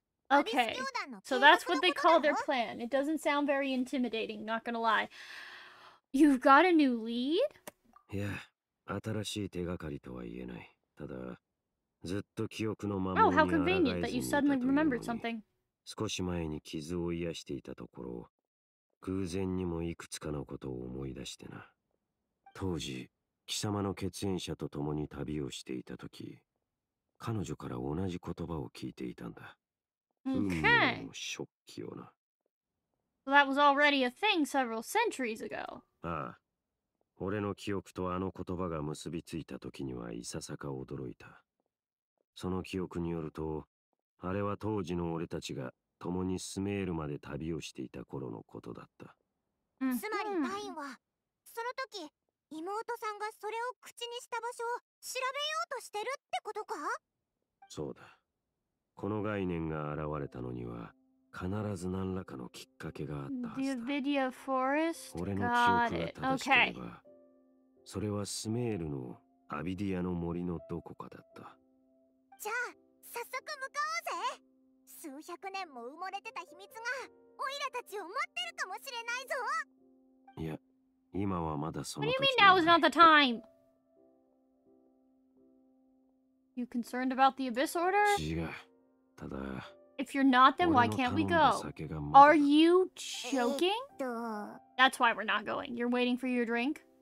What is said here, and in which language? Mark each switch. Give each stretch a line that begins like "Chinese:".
English: Okay, so that's what they call their plan. It doesn't sound very intimidating, not gonna lie. You've got a new lead? Oh, how convenient that you suddenly remembered something.
Japanese: 少し前に傷を癒していたところ、偶然にもいくつかのことを思い出してな。当時、貴様の血縁者と共に旅をしていた時、彼女から同じ言葉を聞いていたんだ。
English: Okay.
Japanese: 運命のショッキをな。
English: Well, that was already a thing several centuries ago.
Japanese: ああ、俺の記憶とあの言葉が結びついた時にはいささか驚いた。その記憶によると、あれは当時の俺たちが共にスメールまで旅をしていた頃のことだった。つまりタインはその時。妹さんがそれを口にした場所を調べようとしてるってことか？そうだ。この概念が現れたのには必ず何らかのきっかけがあったはずだ。
English: The Avidia Forest?
Japanese: 俺の記憶が正しければ、それはスメールのアビディアの森のどこかだった。じゃあ、早速向かおうぜ。数百年も埋もれてた秘密がオイラたちを待ってるかもしれないぞ。いや。今はまだその時ではない。
English: What do you mean now is not the time? You concerned about the Abyss Order?
Japanese: 違う。ただ、
English: If you're not, then why can't we go? Are you joking? That's why we're not going. You're waiting for your drink?